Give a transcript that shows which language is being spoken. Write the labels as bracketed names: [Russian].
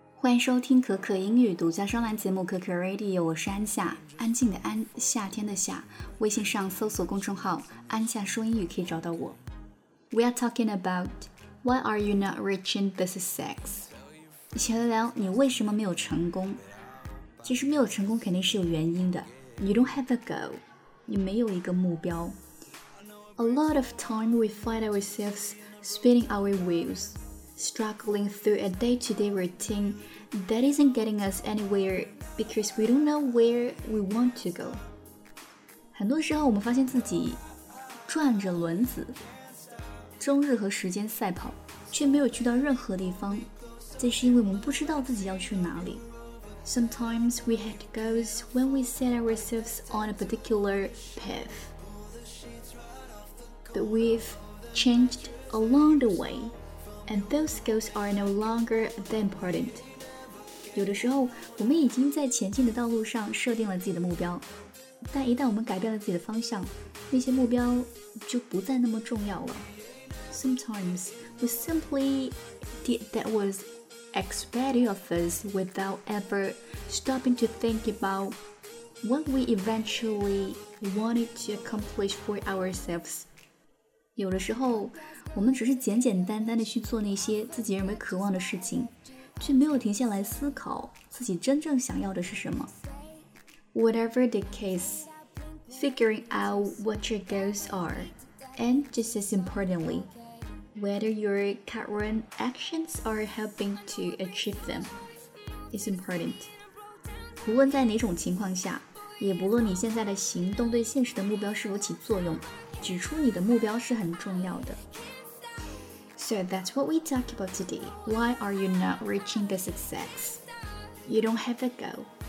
[Chinese] 迎收听可可英语独家专栏节目可可 Radio， 我是安夏，安静的安，夏天的夏。微信上搜索公众号安夏说英语可以找到我。 [English] We are talking about Why are you not rich in business sex？ [Chinese] 一起来聊你为什么没有成功。其实没有成功肯定是有原因的。 [English] You don't have a goal，你没有一个目标。 A lot of time we find ourselves spinning our wheelsstruggling through a day-to-day routine that isn't getting us anywhere because we don't know where we want to go. [Chinese] 很多时候我们发现自己转着轮子，终日和时间赛跑，却没有去到任何地方，这是因为我们不知道自己要去哪里。 [English] Sometimes we had goals when we set ourselves on a particular path, but we've changed along the way. And those goals are no longer that important. [Chinese] 有的时候我们已经在前进的道路上设定了自己的目标，但一旦我们改变了自己的方向，那些目标就不再那么重要了。 [English] Sometimes we simply did that was expected of us without ever stopping to think about what we eventually wanted to accomplish for ourselves. [Chinese] 有的时候我们只是简简单单地去做那些自己认为渴望的事情，却没有停下来思考自己真正想要的是什么。 [English] Whatever the case, figuring out what your goals are, and just as importantly, whether your current actions are helping to achieve them, is important. [Chinese] 无论在哪种情况下，也不论你现在的行动对现实的目标是否起作用，指出你的目标是很重要的。 [English] So that's what we talk about today. Why are you not reaching the success? You don't have a goal.